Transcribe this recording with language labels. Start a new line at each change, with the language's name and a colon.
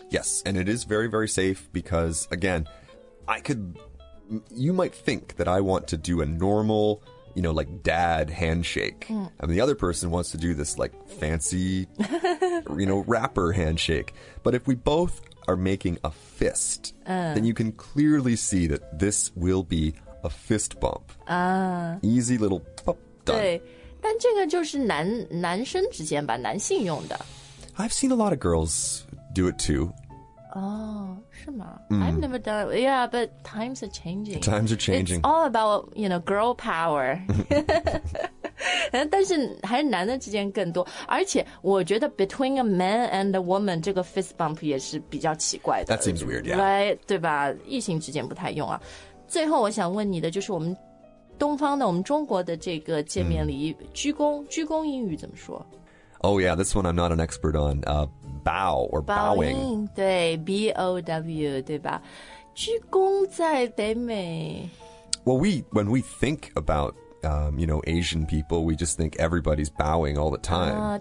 English: Yes, and it is very, very safe because, again, I could, you might think that I want to do a normal, you know, like dad handshake、and the other person wants to do this, like, fancy, you know, rapper handshake But if we both are making a fist、then you can clearly see that this will be a fist bump、Easy little pop done
Chinese: 对但这个就是 男生之间吧男性用的
English: I've seen a lot of girls do it too
Chinese: 哦、是吗、
English: I've never done it Yeah, but times are changing Times are changing It's all about, you know, girl power
Chinese: 但是还是男的之间更多而且我觉得
English: between a man and a woman
Chinese: 这个 fist bump 也是比较奇怪的
English: That seems weird, yeah
Chinese: right, 对吧异性之间不太用啊最后我想问你的就是我们东方的我们中国的这个见面礼仪、鞠躬鞠躬英语怎么说
English: Oh yeah, this one I'm not an expert on、bow or
Chinese: bowing 对 B-O-W 对吧鞠躬在北美
English: Well when we think aboutyou know, Asian people, we just think everybody's bowing all the time.